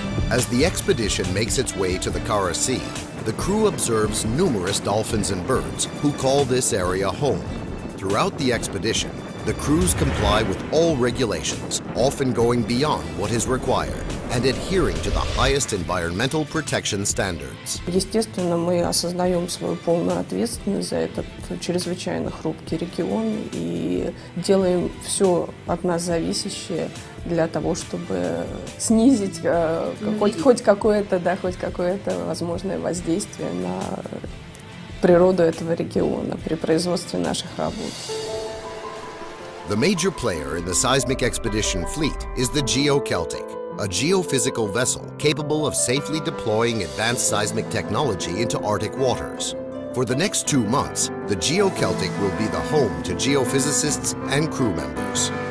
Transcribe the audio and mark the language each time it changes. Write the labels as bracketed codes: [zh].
[en] As the expedition makes its way to the Kara Sea, the crew observes numerous dolphins and birds who call this area home. Throughout the expedition, the crews comply with all regulations, often going beyond what is required and adhering to the highest environmental protection standards. [ru] Естественно, мы осознаем свою полную ответственность за этот чрезвычайно хрупкий регион и делаем все от нас зависящее для того, чтобы снизить хоть какое-то возможное воздействие на природу этого региона при производстве наших работ. [en] The major player in the seismic expedition fleet is the GeoCeltic, a geophysical vessel capable of safely deploying advanced seismic technology into Arctic waters. For the next 2 months, the GeoCeltic will be the home to geophysicists and crew members.